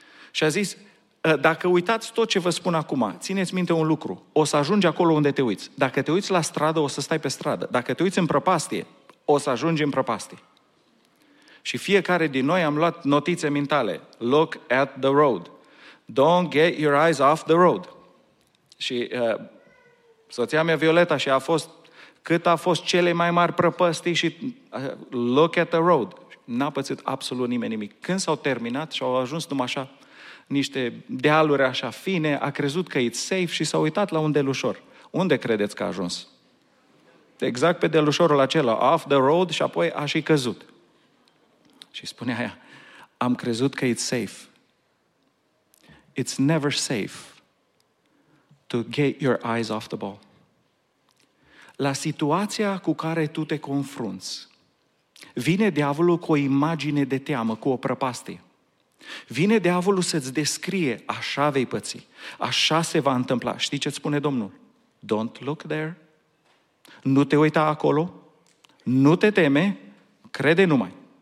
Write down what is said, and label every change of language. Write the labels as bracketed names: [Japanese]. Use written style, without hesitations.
[Romanian] Și a zis, dacă uitați tot ce vă spun acum, țineți minte un lucru, o să ajungi acolo unde te uiți. Dacă te uiți la stradă, o să stai pe stradă. Dacă te uiți în prăpastie, o să ajungi în prăpastie. Și fiecare din noi am luat notițe mentale. [English] Look at the road. Don't get your eyes off the road. [Romanian] Și soția mea Violeta și a fost, cât a fost cele mai mari prăpastii și [English] look at the road. [Romanian] N-a pățit absolut nimeni nimic. Când s-au terminat și au ajuns numai așa, niște dealuri așa fine, a crezut că [English] it's safe [Romanian] și s-a uitat la un delușor. Unde credeți că a ajuns? Exact pe delușorul acela, [English] off the road, [Romanian] și apoi a și căzut. Și spunea aia, am crezut că [English] it's safe. It's never safe to get your eyes off the ball. [Romanian] la situația cu care tu te confrunți, vine diavolul cu o imagine de teamă, cu o prăpastie. Vine diavolul să-ți descrie, așa vei păți, așa se va întâmpla. Știi ce-ți spune Domnul? [English] Don't look there. [Romanian] Nu te uita acolo. Nu te teme. Crede numai.